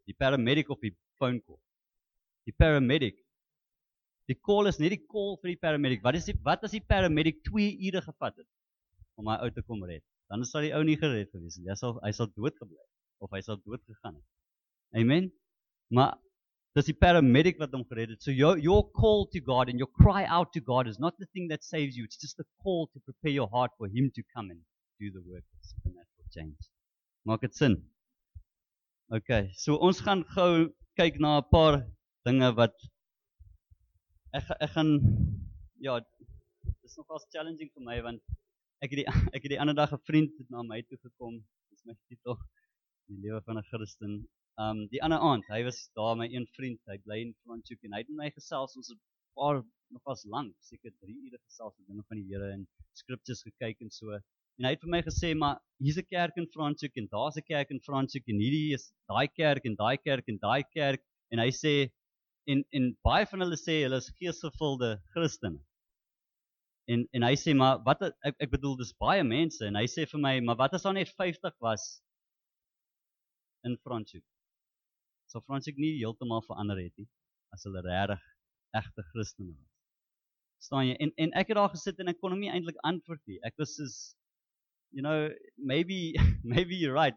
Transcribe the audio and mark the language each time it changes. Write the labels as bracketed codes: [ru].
[af] Die paramedic op die phone call. Die paramedic. Die call is nie die call vir die paramedic. Wat as die paramedic 2 ure gevat het om my ou te kom red? Dan sal die ou nie gered gewees nie. Hy sal dood gebly of hy sal dood gegaan het. Amen. Maar dis die paramedic wat hom gered het. [en] So your call to God and your cry out to God is not the thing that saves you. It's just the call to prepare your heart for him to come and do the work of supernatural change. [af] Maak dit sin? Okay, so ons gaan gou kyk na 'n paar dinge wat ek gaan, ja, dis nogals challenging vir my want ek het die ander dag 'n vriend na my toe gekom. Dis my titel, die lewe van 'n Christen. Die ander aand, hy was daar my een vriend, hy bly in Franschhoek en hy het met my gesels, ons het paar nogals lank, seker 3 ure gesels oor dinge van die Here en scriptures gekyk en so. En hy het vir my gesê, maar hier's 'n kerk in Franschhoek en daar's 'n kerk in Franschhoek en hierdie is daai kerk en daai kerk en daai kerk en hy sê en baie van hulle sê hulle is geesgevulde Christene. En hy sê, maar wat ek bedoel, dis baie mense en hy sê vir my, maar wat as daar net 50 was in Franschhoek? So Franschhoek nie heeltemal verander het nie as hulle regtig egte Christene was. Staan jy? En ek het daar gesit en ek kon hom nie eintlik antwoord nie. Ek was soos, [en] you know, maybe you're right.